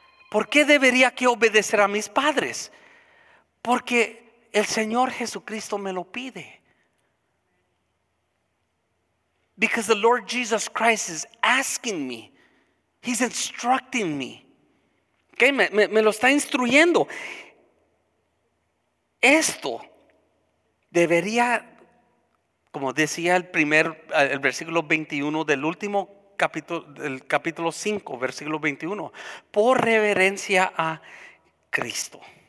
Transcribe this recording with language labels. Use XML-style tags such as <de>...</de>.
<es>¿Por qué debería que obedecer a mis padres? Porque el Señor Jesucristo me lo pide.</es> <en>Because the Lord Jesus Christ is asking me. He's instructing me.</en> <es>Okay, me lo está instruyendo. Esto debería, como decía el versículo 21 del último capítulo, del capítulo 5, versículo 21, por reverencia a Cristo.</es>